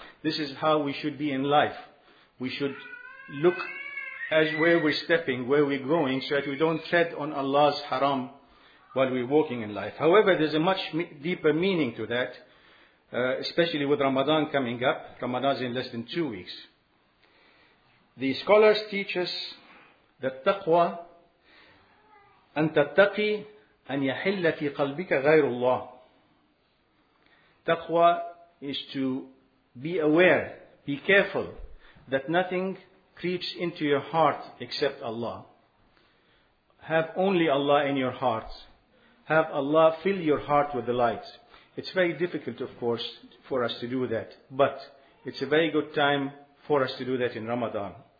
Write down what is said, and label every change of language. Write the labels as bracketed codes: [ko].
[en] This is how we should be in life. We should look as where we're stepping, where we're going, so that we don't tread on Allah's haram while we're walking in life. However, there's a much deeper meaning to that, especially with Ramadan coming up. Ramadan's in less than 2 weeks. The scholars teach us that taqwa, [ar] أن تتقي أن يحل في قلبك غير الله. [en] Taqwa is to be aware, be careful, that nothing creeps into your heart except Allah. Have only Allah in your heart. Have Allah fill your heart with the light. It's very difficult, of course, for us to do that. But it's a very good time for us to do that in Ramadan.